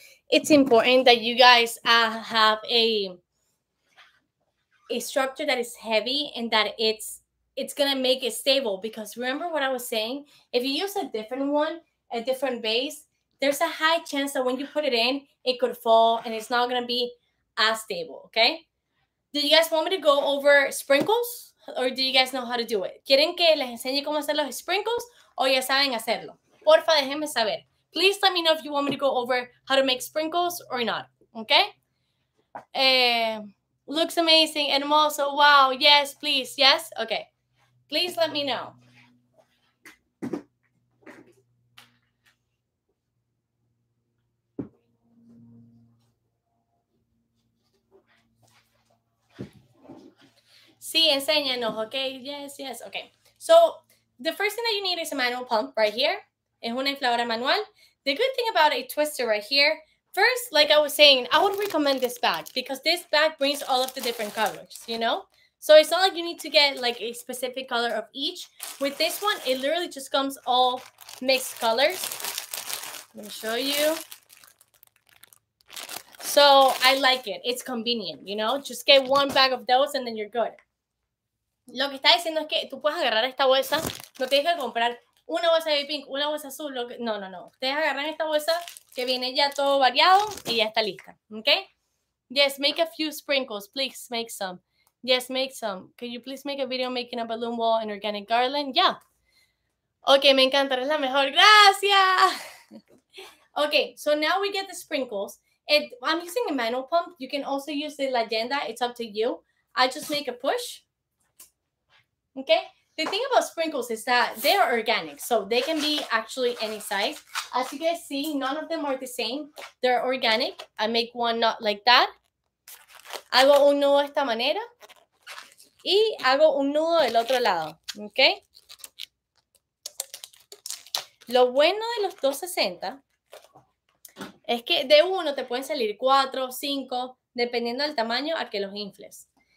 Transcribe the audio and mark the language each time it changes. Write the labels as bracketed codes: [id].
[en] it's important that you guys have a structure that is heavy and that it's gonna make it stable, because remember what I was saying? If you use a different one, a different base, there's a high chance that when you put it in, it could fall and it's not gonna be as stable, okay? Do you guys want me to go over sprinkles? Or do you guys know how to do it? [es] ¿Quieren que les enseñe cómo hacer los sprinkles? ¿O ya saben hacerlo? Porfa, déjenme saber. [en] Please let me know if you want me to go over how to make sprinkles or not, okay? Looks amazing and also, wow, yes, please, yes, okay. Please let me know. [es] Sí, enséñanos, [en] okay? Yes, yes, okay. So, the first thing that you need is a manual pump right here. [es] Es una infladora manual. [en] The good thing about a twister right here, first, like I was saying, I would recommend this bag because this bag brings all of the different colors, you know? So it's not like you need to get like a specific color of each. With this one, it literally just comes all mixed colors. Let me show you. So I like it. It's convenient, you know? Just get one bag of those and then you're good. [es] Lo que está diciendo es que tú puedes agarrar esta bolsa. No tienes que comprar una bolsa de pink, una bolsa azul. No, no, no. Ustedes agarran esta bolsa que viene ya todo variado y ya está lista. [en] Okay? Yes, make a few sprinkles. Please make some. Yes, make some. Can you please make a video making a balloon wall and organic garland? [es] Yeah. Okay, me encanta, eres la mejor. Gracias. [en] Okay, so now we get the sprinkles. It, I'm using a manual pump. You can also use the leyenda. It's up to you. I just make a push. Okay. The thing about sprinkles is that they are organic, so they can be actually any size. As you guys see, none of them are the same. They're organic. I make one not like that. [es] Hago un nudo de esta manera y hago un nudo del otro lado, ¿ok? Lo bueno de los 260 es que de uno te pueden salir 4, 5, dependiendo del tamaño a que los infles.